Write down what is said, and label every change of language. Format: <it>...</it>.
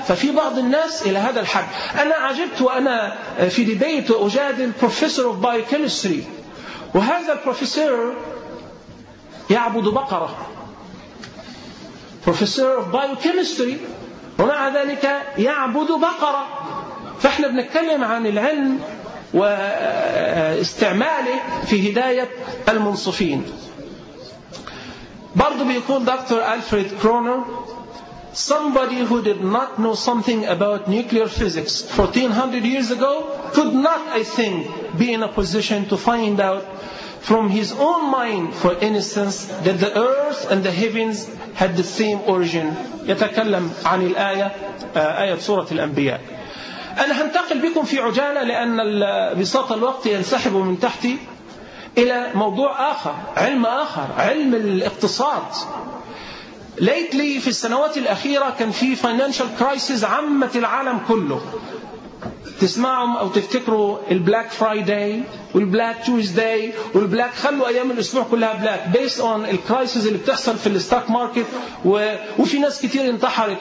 <ar>ففي بعض الناس إلى هذا الحد. أنا عجبت وأنا في ديبيت وأجادل</ar> <en>Professor of Biochemistry،</en> <ar>وهذا البروفيسور يعبد بقرة، بروفيسور</ar> <en>of biochemistry</en> <ar>ومع ذلك يعبد بقرة. فإحنا بنتكلم عن العلم واستعماله في هداية المنصفين. برضو بيقول دكتور ألفريد كرونر</ar> <en>somebody who did not know something about nuclear physics 1400 years ago could not, I think, be in a position to find out from his own mind, for instance, that the earth and the heavens had the same origin.</en> <ar>يتكلم عن الآية آية سورة الأنبياء. أنا هنتقل بكم في عجالة لأن بساط الوقت ينسحب من تحتي إلى موضوع آخر، علم آخر، علم الاقتصاد. Lately في السنوات الأخيرة كان في</ar> <en>financial crisis</en> <ar>عمت العالم كله، تسمعهم أو تفتكروا البلاك فرايداي والبلاك تويزداي والبلاك، خلوا أيام الأسبوع كلها بلاك</ar> <en>based on</en> <ar>الكرايسيز اللي بتحصل في الستوك ماركت، وفي ناس كتير انتحرت.</ar>